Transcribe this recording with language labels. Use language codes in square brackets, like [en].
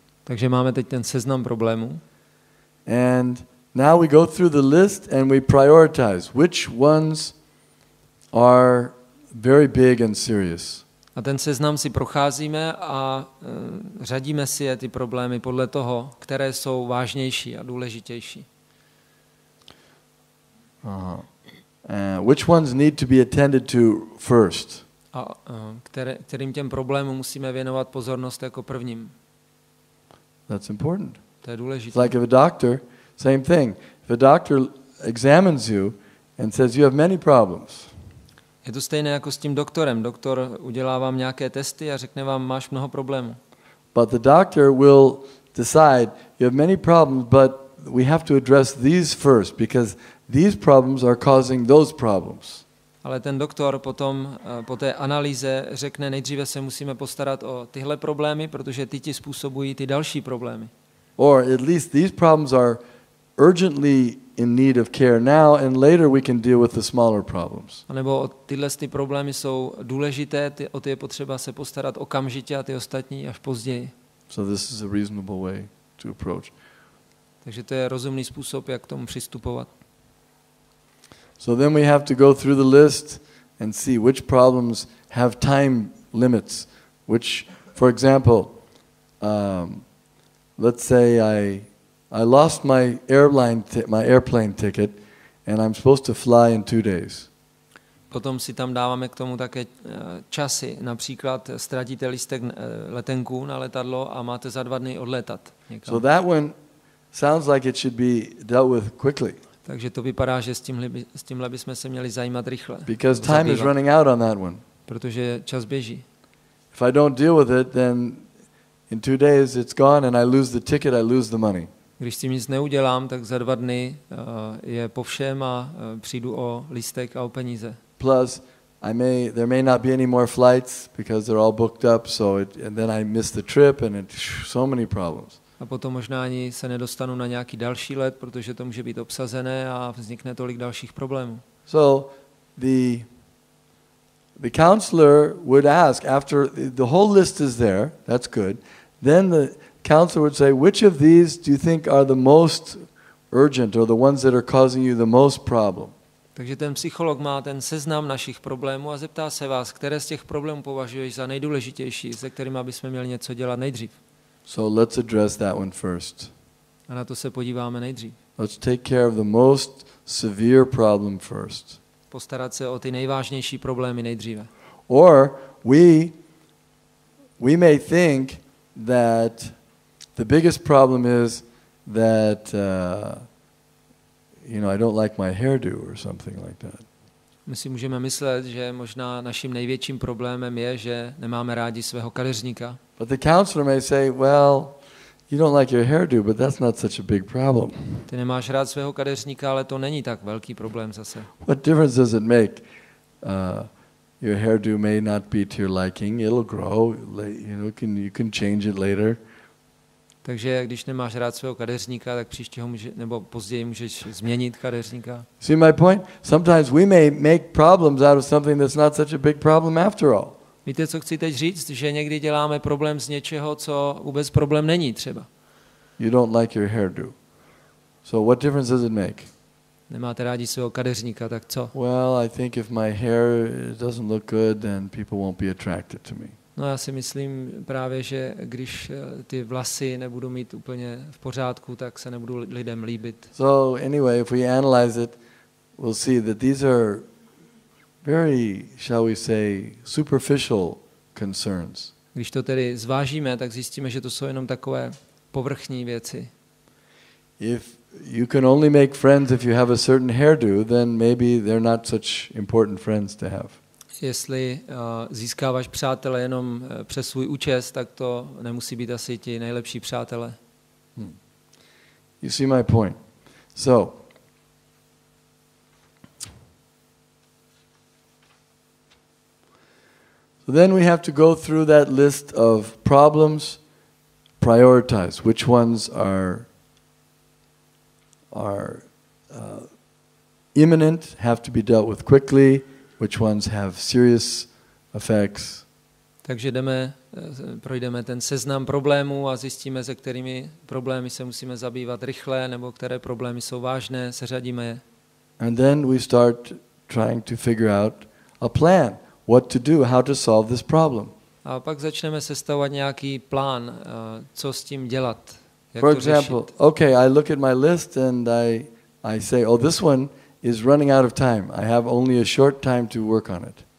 [cs] Takže máme teď ten seznam problémů. [en] And now we go through the list and we prioritize which ones are very big and serious. [cs] A ten seznam si procházíme a řadíme si je ty problémy podle toho, které jsou vážnější a důležitější. [en] Which ones need to be attended to first? [cs] A kterým těm problémům musíme věnovat pozornost jako prvním? [en] That's important. [cs] To je důležité. [en] Like if a doctor, same thing. If a doctor examines you and says you have many problems. [cs] Je to stejné jako s tím doktorem. Doktor udělá vám nějaké testy a řekne vám, máš mnoho problémů. [en] But the doctor will decide you have many problems, but we have to address these first because these problems are causing those problems. [cs] Ale ten doktor potom po té analýze řekne, nejdříve se musíme postarat o tyhle problémy, protože ty ti způsobují ty další problémy. [en] Or at least these problems are urgently in need of care now and later we can deal with the smaller problems. [cs] A nebo tyhle ty problémy jsou důležité, o ty je potřeba se postarat okamžitě a ty ostatní až později. [en] So this is a reasonable way to approach. [cs] Takže to je rozumný způsob, jak k tomu přistupovat. [en] So then we have to go through the list and see which problems have time limits. Which, for example, let's say I lost my airplane ticket and I'm supposed to fly in 2 days. [cs] Potom si tam dáváme k tomu také časy. Například ztratíte lístek letenku na letadlo a máte za 2 dny odletat někam. [en] So that one sounds like it should be dealt with quickly. [cs] Takže to vypadá, že s tímhle bychom se měli zajímat rychle. [en] Because time is running out on that one. [cs] Protože čas běží. [en] If I don't deal with it, then in 2 days it's gone and I lose the ticket, I lose the money. [cs] Když s tím nic neudělám, tak za 2 dny je po všem a přijdu o lístek a o peníze. [en] Plus, there may not be any more flights because they're all booked up, so and then I miss the trip and it's so many problems. [cs] A potom možná ani se nedostanu na nějaký další let, protože to může být obsazené a vznikne tolik dalších problémů. [en] So the counselor would ask after the whole list is there, that's good. Then the counselor would say, which of these do you think are the most urgent or the ones that are causing you the most problem? [cs] Takže ten psycholog má ten seznam našich problémů a zeptá se vás, které z těch problémů považuješ za nejdůležitější, se kterými bychom měli něco dělat nejdřív. [en] So let's address that one first. [cs] A na to se podíváme nejdřív. [en] Let's take care of the most severe problem first. [cs] Postarat se o ty nejvážnější problémy nejdříve. [en] Or we may think that the biggest problem is that I don't like my hairdo or something like that. [cs] My si můžeme myslet, že možná naším největším problémem je, že nemáme rádi svého kadeřníka. [en] But the counselor may say, well, you don't like your hairdo, but that's not such a big problem. [cs] Ty nemáš rád svého kadeřníka, ale to není tak velký problém zase. [en] What difference does it make? Your hairdo may not be to your liking. It'll grow. You can change it later. [cs] Takže když nemáš rád svého kadeřníka, tak příště ho může, nebo později můžeš změnit kadeřníka. [en] See my point? Sometimes we may make problems out of something that's not such a big problem after all. [cs] Víte, co chci teď říct? Že někdy děláme problém z něčeho, co vůbec problém není třeba. [en] You don't like your hairdo. So what difference does it make? [cs] Nemáte rádi svého kadeřníka, tak co? [en] Well, I think if my hair doesn't look good, then people won't be attracted to me. [cs] No, já si myslím právě, že když ty vlasy nebudu mít úplně v pořádku, tak se nebudu lidem líbit. [en] So anyway, if we analyze it, we'll see that these are very, shall we say, superficial concerns. [cs] Když to tedy zvážíme, tak zjistíme, že to jsou jenom takové povrchní věci. [en] If you can only make friends if you have a certain hairdo, then maybe they're not such important friends to have. [cs] Jestli získáváš přátele jenom přes svůj účes, tak to nemusí být asi ti nejlepší přátelé. [en] You see my point. So, then we have to go through that list of problems, prioritize which ones are imminent, have to be dealt with quickly, which ones have serious effects. [cs] Takže jdeme, projdeme ten seznam problémů a zjistíme, se kterými problémy se musíme zabývat rychle, nebo které problémy jsou vážné, seřadíme je. [en] And then we start trying to figure out a plan, what to do, how to solve this problem. [cs] A pak začneme sestavovat nějaký plán, co s tím dělat, jak [en] For example, [cs] to řešit. [en] Okay, I look at my list and I say, oh, this one is running out of time. I have only a short time to work on it.